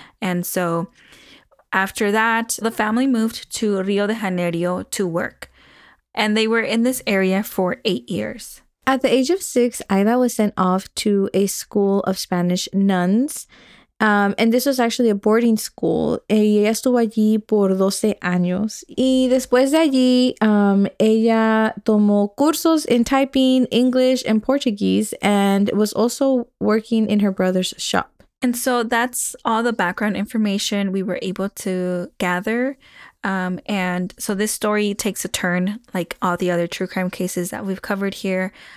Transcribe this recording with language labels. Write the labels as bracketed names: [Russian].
[English] And so after that, the family moved to Rio de Janeiro to work. And they were in this area for 8 years. At the age of six, Aida was sent off to a school of Spanish nuns. And this was actually a boarding school. [Spanish] Ella estuvo allí por 12 años. Y después de allí, ella tomó cursos [English] in typing, English, and Portuguese, and was also working in her brother's shop. And so that's all the background information we were able to gather. And so this story takes a turn, like all the other true crime cases that we've covered here.